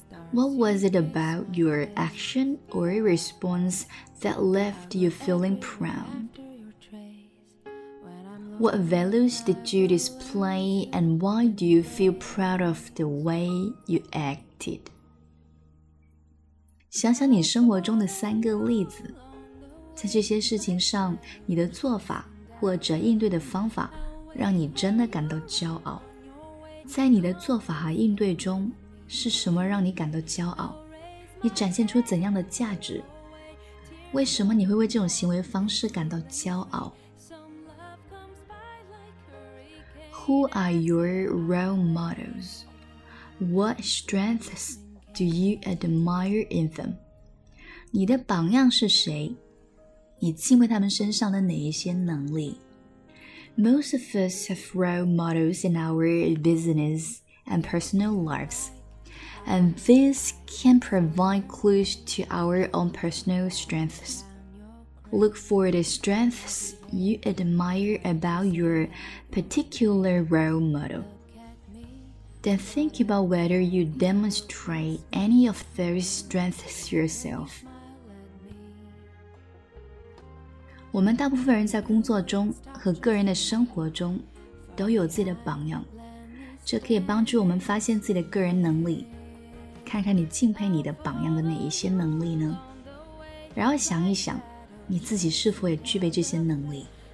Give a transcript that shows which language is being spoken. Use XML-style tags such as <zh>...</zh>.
<en>What was it about your action or response that left you feeling proud? What values did you display and why do you feel proud of the way you act?</en> <zh>想想你生活中的三个例子，在这些事情上，你的做法或者应对的方法让你真的感到骄傲。在你的做法和应对中，是什么让你感到骄傲？你展现出怎样的价值？为什么你会为这种行为方式感到骄傲？</zh> <en>Who are your role models? What strengths do you admire in them?</en> <zh>你的榜样是谁？你敬畏他们身上的哪一些能力？</zh> <en>Most of us have role models in our business and personal lives, and this can provide clues to our own personal strengths. Look for the strengths you admire about your particular role model. Then think about whether you demonstrate any of those strengths yourself.</en> <zh>我们大部分人在工作中和个人的生活中都有自己的榜样，这可以帮助我们发现自己的个人能力。看看你敬佩你的榜样的哪一些能力呢？然后想一想，你自己是否也具备这些能力。</zh>